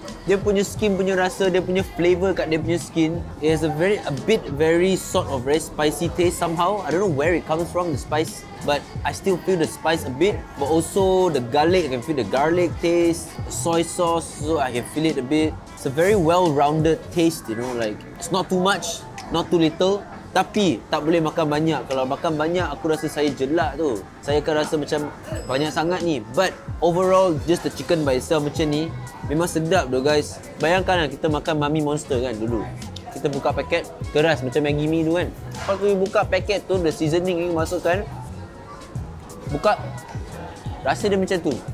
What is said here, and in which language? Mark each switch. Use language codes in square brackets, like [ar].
[ms] Dia punya skin punya rasa, dia punya flavour kat dia punya skin. [en] It has a very sort of very spicy taste somehow. I don't know where it comes from, the spice. But I still feel the spice a bit. But also the garlic, I can feel the garlic taste. Soy sauce, so I can feel it a bit. It's a very well-rounded taste, you know. Like, it's not too much, not too little. [ms] Tapi, tak boleh makan banyak. Kalau makan banyak, aku rasa saya jelak tu. Saya akan rasa macam banyak sangat ni. [en] But overall, just the chicken by itself [ms] macam ni, memang sedap tu guys. Bayangkan kita makan Mami Monster kan dulu. Kita buka paket, keras macam Maggi Mee tu kan. Kalau kita buka paket tu, the seasoning yang masukkan, buka, rasa dia macam tu.